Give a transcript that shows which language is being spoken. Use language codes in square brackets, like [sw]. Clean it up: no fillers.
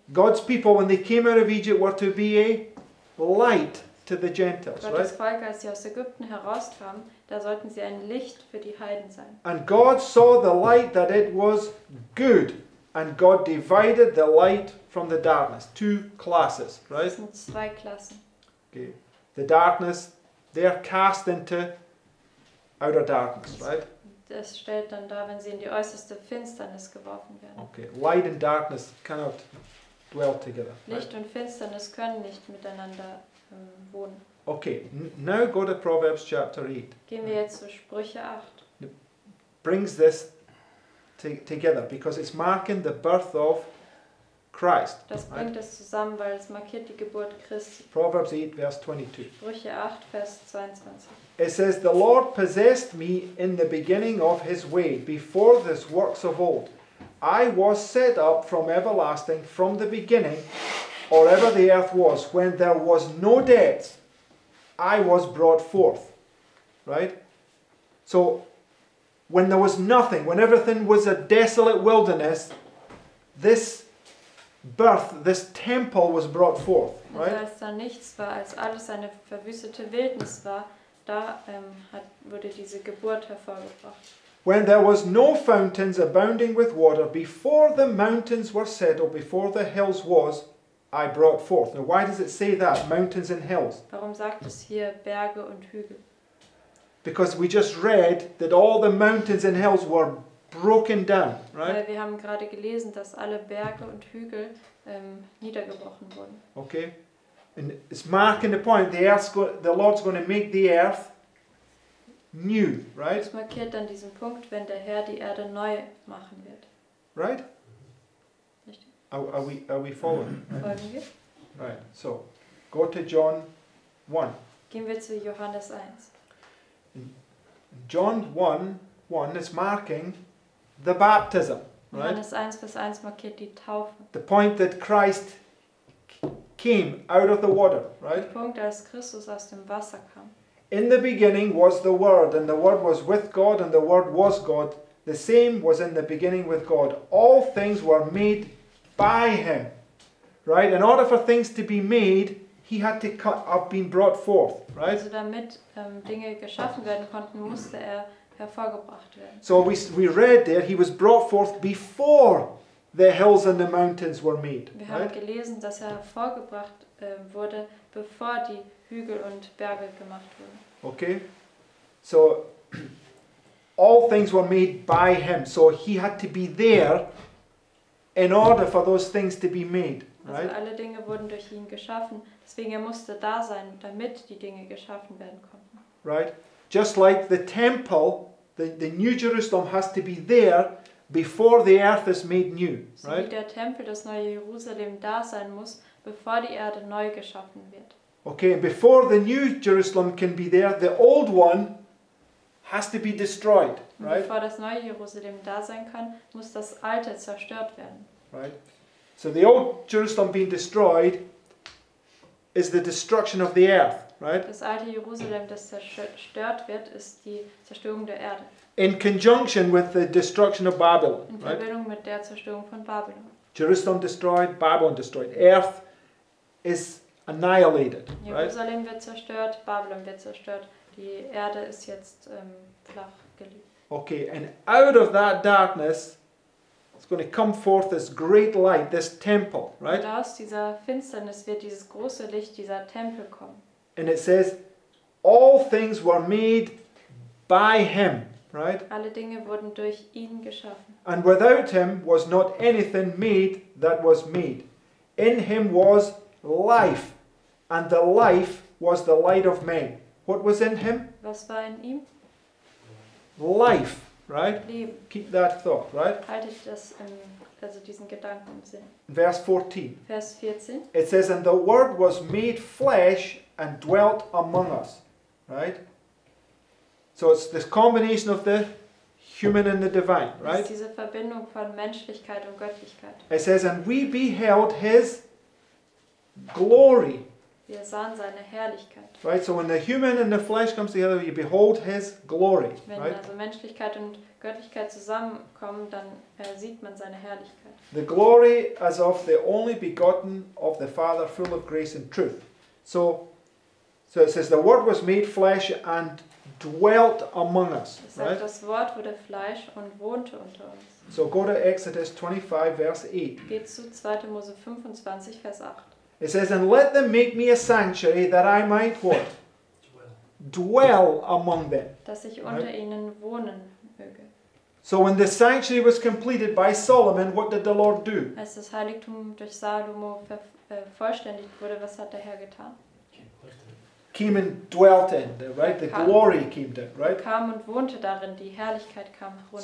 [en] God's people, when they came out of Egypt, were to be a light to the Gentiles, [de] Gottes [en] right? [de] Volk, als sie aus Ägypten herauskamen, da sollten sie ein Licht für die Heiden sein. [en] And God saw the light that it was good. And God divided the light from the darkness. Two classes, right? [de] Das sind zwei Klassen. [en] Okay. The darkness, they are cast into outer darkness, right? [de] Das stellt dann dar, wenn sie in die äußerste Finsternis geworfen werden. [en] Okay. Light and darkness cannot dwell together. Right? [de] Licht und Finsternis können nicht miteinander wohnen. [en] Okay, now go to Proverbs chapter 8. [de] Gehen wir jetzt zu Sprüche 8. [en] It brings this together because it's marking the birth of Christ. [de] Das bringt [en] right? [de] Es zusammen, weil es markiert die Geburt Christi. [en] Proverbs 8, verse 22. [de] Sprüche 8, Vers 22. [en] It says, the Lord possessed me in the beginning of his way, before this works of old. I was set up from everlasting, from the beginning, or ever the earth was, when there was no depth. I was brought forth, right? So, when there was nothing, when everything was a desolate wilderness, this birth, this temple was brought forth, right? [de] Als da nichts war, als alles eine verwüstete Wildnis war, da wurde diese Geburt hervorgebracht. [en] When there was no fountains abounding with water, before the mountains were settled, before the hills was, I brought forth. Now, why does it say that? Mountains and hills. [de] Warum sagt es hier Berge und Hügel? [en] Because we just read that all the mountains and hills were broken down, right? [de] Weil wir haben gerade gelesen, dass alle Berge und Hügel niedergebrochen wurden. [en] Okay, and it's marking the point. The Lord's going to make the earth new, right? [de] Es markiert dann diesen Punkt, wenn der Herr die Erde neu machen wird. [en] Right. Are we following? Right. So, go to John 1. [de] Gehen wir zu Johannes 1. [en] John 1:1 is marking the baptism, right? [de] Johannes 1, Vers 1 markiert die Taufe. [en] The point that Christ came out of the water, right? [de] Der Punkt, als Christus aus dem Wasser kam. [en] In the beginning was the Word, and the Word was with God, and the Word was God. The same was in the beginning with God. All things were made by him, right? In order for things to be made, he had to have been brought forth, right? [de] Also damit Dinge geschaffen werden konnten, musste er hervorgebracht werden. [en] So we read there, he was brought forth before the hills and the mountains were made. [de] Wir haben gelesen, dass er hervorgebracht wurde, bevor die Hügel und Berge gemacht wurden. [en] Okay, so all things were made by him, so he had to be there in order for those things to be made, right? [de] Also alle Dinge wurden durch ihn geschaffen, deswegen musste da sein, damit die Dinge geschaffen werden konnten. [en] Right? Just like the temple, the New Jerusalem has to be there before the earth is made new, right? [de] So wie der Tempel, das neue Jerusalem, da sein muss, bevor die Erde neu geschaffen wird. [en] Okay, before the New Jerusalem can be there, the old one has to be destroyed, right? [de] Bevor das neue Jerusalem da sein kann, muss das alte zerstört werden. [en] Right. So the old Jerusalem being destroyed is the destruction of the earth, right? [de] Das alte Jerusalem, das zerstört wird, ist die Zerstörung der Erde. [en] In conjunction with the destruction of Babylon, right? [de] In Verbindung mit der Zerstörung von Babylon. [en] Jerusalem destroyed, Babylon destroyed. Earth is annihilated, right? [de] Jerusalem wird zerstört, Babylon wird zerstört. Die Erde ist jetzt flach gelegt. [en] Okay, and out of that darkness is going to come forth this great light, this temple, right? [de] Und aus dieser Finsternis wird dieses große Licht, dieser Tempel kommen. [en] And it says, all things were made by him, right? [de] Alle Dinge wurden durch ihn geschaffen. [en] And without him was not anything made that was made. In him was life, and the life was the light of men. What was in him? [de] Was war in ihm? [en] Life, right? [de] Leben. [en] Keep that thought, right? [de] Haltet das, also diesen Gedanken im Sinn. [en] Verse 14. [de] Vers 14. [en] It says, and the word was made flesh and dwelt among us, right? So it's this combination of the human and the divine, right? [de] Es ist diese Verbindung von Menschlichkeit und Göttlichkeit. [en] It says, and we beheld his glory. [de] Wir sahen seine Herrlichkeit. [en] Right, so when the human and the flesh comes together, you behold his glory. [de] Wenn [en] right? [de] Also Menschlichkeit und Göttlichkeit zusammenkommen, dann sieht man seine Herrlichkeit. [en] The glory as of the only begotten of the Father, full of grace and truth. So it says, the Word was made flesh and dwelt among us. [de] Es sagt, [en] right? [de] Das Wort wurde Fleisch und wohnte unter uns. [en] So go to Exodus 25, verse 8. [de] Geht zu 2. Mose 25, Vers 8. [en] It says, and let them make me a sanctuary that I might what? Dwell among them. [de] Dass ich unter [en] right? [de] ihnen wohnen möge. [en] So when the sanctuary was completed by Solomon, what did the Lord do? [de] Als das Heiligtum durch Salomo vollständig wurde, was hat der Herr getan? [en] Came and dwelt in there, right? The glory came down, right? [de] Kam und wohnte darin, die Herrlichkeit kam runter.